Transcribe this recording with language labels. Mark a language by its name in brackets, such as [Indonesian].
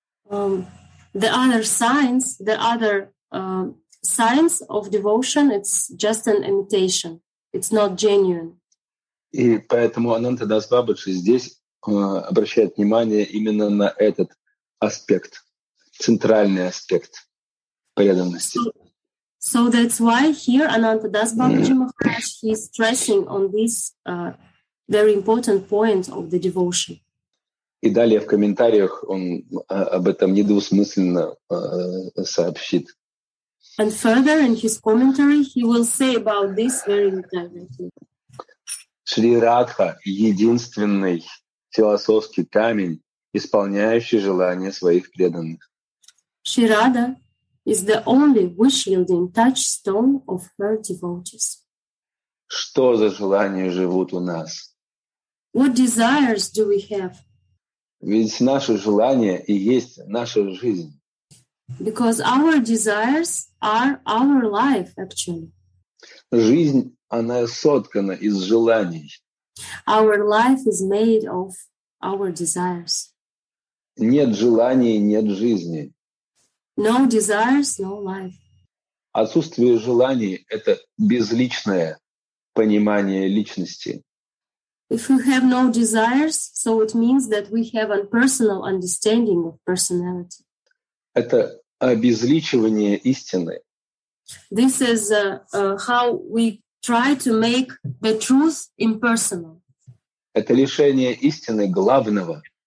[English] The other signs, signs of devotion, it's just an imitation. It's not genuine. [Russian] И поэтому Ананта Дас Бабаджи здесь обращает внимание именно на этот аспект, центральный аспект преданности. [English] So that's why here Ananta Das Babaji Maharaj he is stressing on this very important point of the devotion. [Russian] И далее в комментариях он об этом недвусмысленно сообщит. [English] And further in his commentary he will say about this very directly. [Russian] Шри Радха — единственный философский камень, исполняющий желания своих преданных. [English] Шри Радха is the only wish-yielding touchstone of her devotees. [Russian] Что за желания живут у нас? [English] What desires do we have? [Russian] Ведь наши желания и есть наша жизнь. [English] Because our desires are our life, actually. [Russian] Жизнь, она соткана из желаний. [English] Our life is made of our desires. [Russian] Нет желаний, нет жизни. [English] No desires, no life. [Russian] Отсутствие желаний — это безличное понимание личности. [English] If we have no desires, so it means that we have a personal understanding of personality. [Russian] Это обезличивание истины. [English] This is how we try to make the truth impersonal. [Russian] Это лишение истины главного.